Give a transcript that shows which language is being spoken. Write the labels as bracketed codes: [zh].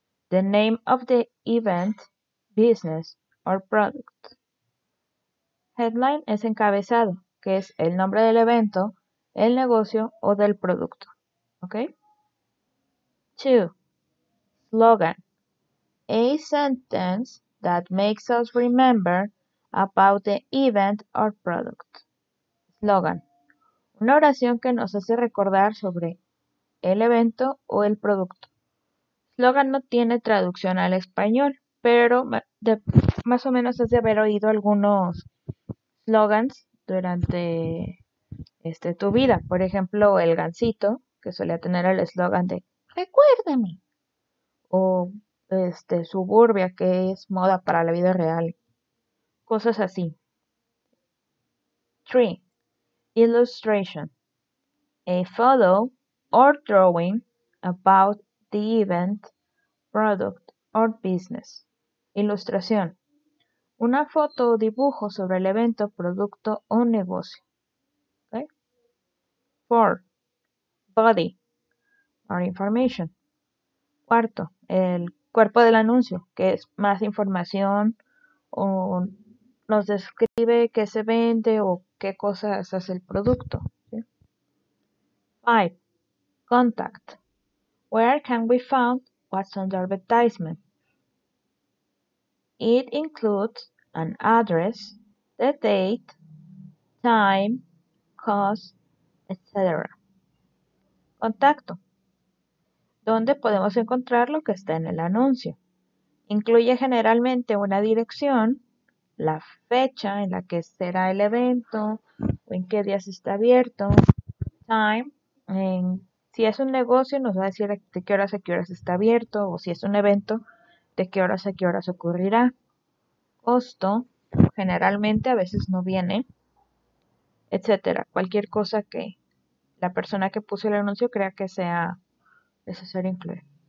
[en] The name of the event, business or product. [es] Headline es encabezado, que es el nombre del evento, el negocio o del producto. [en] ¿Ok? Two. Slogan. A sentence that makes us remember about the event or product. Slogan. [es] Una oración que nos hace recordar sobre el evento o el producto. Slogan no tiene traducción al español, pero más o menos has de haber oído algunos slogans durante tu vida. Por ejemplo, el gansito, que solía tener el eslogan de recuérdame. O Suburbia, que es moda para la vida real. Cosas así. 3. Illustration. [en] A photo or drawing about the event, product or business. [es] Ilustración. Una foto o dibujo sobre el evento, producto o negocio. [en] 4. Body or information. [es] Cuarto, el cuerpo del anuncio, que es más información o nos describe qué se vende o qué cosas hace el producto. [en] 5. ¿Sí? Contact. Where can we find what's on the advertisement? It includes an address, the date, time, cost, etc. [es] Contacto. ¿Dónde podemos encontrar lo que está en el anuncio? Incluye generalmente una dirección, la fecha en la que será el evento o en qué días está abierto, time, si es un negocio nos va a decir a qué horas está abierto o si es un evento, de a qué horas ocurrirá, costo, generalmente a veces no viene, etcétera, cualquier cosa que la persona que puso el anuncio crea que sea necesario incluir.